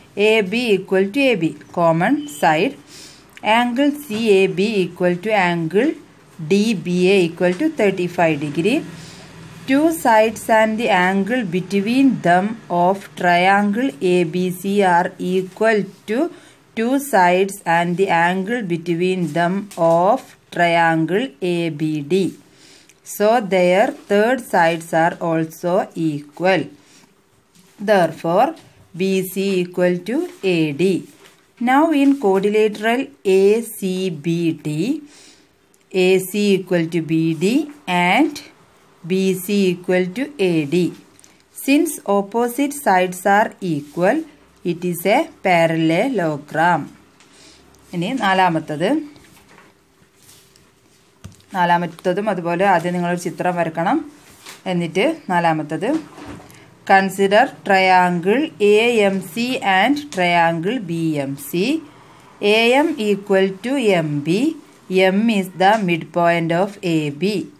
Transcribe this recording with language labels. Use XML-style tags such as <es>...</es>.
<en>A B equal to A B common side. Angle C A B equal to angle D B A equal to 35 degree. Two sides and the angle between them of triangle A B C are equal to two sides and the angle between them of triangle A B D. So their third sides are also equal. Therefore, BC equal to AD. Now in quadrilateral ACBD, AC equal to BD and BC equal to AD. Since opposite sides are equal, it is a parallelogram.</en> <ml>ഇനി നാലാമത്തേത്. നാലാമത്തതും അതുപോലെ ആദ്യം നിങ്ങളൊരു ചിത്രം വരക്കണം, എന്നിട്ട് നാലാമത്തത്.</ml> <en>Consider triangle A M C and triangle B M C. A M equal to M B. M is the mid point of A B.</en>